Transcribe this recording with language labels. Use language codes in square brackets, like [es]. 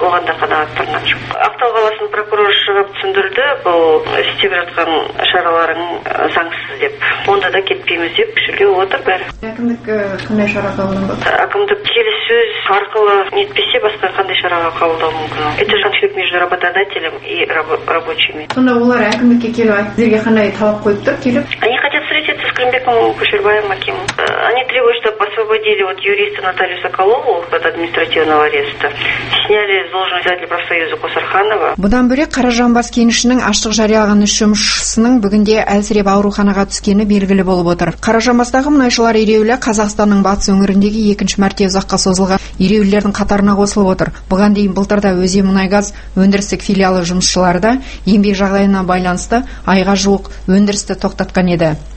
[kk] Оған да қанағаттанған жоқ. Ақтау қаласының прокуроры шығып түсіндірді, бұл істеп жатқан шараларың заңсыз деп. Онда да кетпейміз деп күшілдеп отыр бәрі. Әкімдік қандай шара қабылдады? Әкімдік келіссөз арқылы нетпесе басқа қандай шараға қабылдау мүмкін? [ru] Это конфликт между работодателем и рабочими. [kk] Сонда олар әкімдікке келіп, сіздерге қандай талап қойып тұр келіп? [ru] Они хотят встретиться с Климбеком Көшербаевым әкем. Они требуют, чтобы освободили вот юриста Наталью Соколову от административного ареста. Сняли с должности председателя профсоюза Косарханова. [kk] Бұдан бөлек Қаражанбас кенішінің аштық жариялаған үш жұмысшысының бүгінде әлсіреп ауруханаға түскені белгілі болып отыр. Қаражанбастағы мұнайшылар ереуілі Қазақстанның батыс өңіріндегі екінші мәрте ұзаққа созылған ереуілердің қатарына қосылып отыр. Бұған дейін былтырда өзен мұнайгаз өндірістік филиалы жұмысшылары да еңбек жағдайына байланысты айға жуық өндірісті тоқтатқан еді.